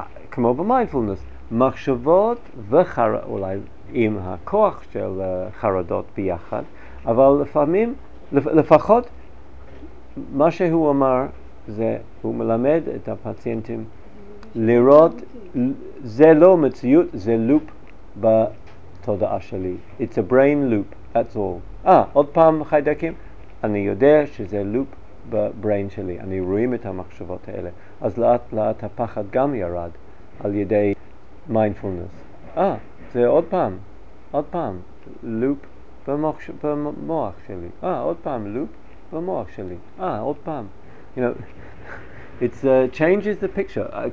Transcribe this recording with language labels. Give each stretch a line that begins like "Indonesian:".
Hebrew: כמו במיינדפולנס, מחשבות אולי עם הכוח של חרדות ביחד, אבל לפעמים, לפחות מה שהוא אמר זה, הוא מלמד את הפציינטים לראות, זה לא מציאות, זה לופ בתודעה שלי.
English: It's a brain loop, that's all.
Hebrew: עוד פעם חיידקים, אני יודע שזה לופ בבריין שלי, אני רואים את המחשבות האלה. אז לאט לאט הפחד גם ירד על ידי מיינדפולנס. זה עוד פעם לופ במוח שלי, עוד פעם לופ במוח שלי, עוד פעם,
English: you know, it's changes the picture.